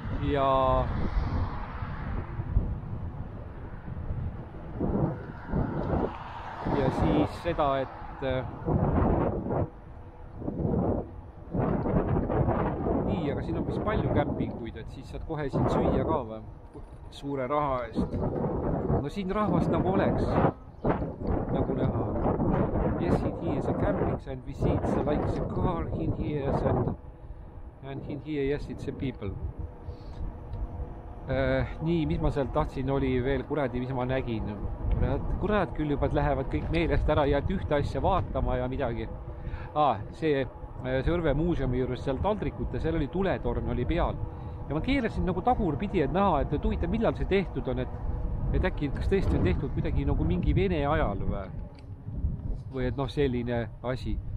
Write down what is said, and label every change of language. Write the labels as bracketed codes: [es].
[et] Ja... ja siis seda, et... Nii, aga siin on vist palju kämpinguid, et siis saad kohe siin süüa ka või suure raha eest. No siin rahvast nagu oleks, nagu näha. [en] Yes, in here is a camping and we see it's like a car in here and in here, yes, it's a people. [et] Nii, mis ma seal tahtsin oli veel kuradi, mis ma nägin. Kurad küll juba lähevad kõik meelest ära ja ühte asja vaatama ja midagi. See... Sõrve muuseumi juures seal taldrikute, seal oli tuletorn oli peal. Ja ma keelasin nagu tagurpidi, et näha, et tuvita, millal see tehtud on, et äkki, kas tõesti on tehtud kuidagi nagu mingi vene ajal või et noh, selline asi.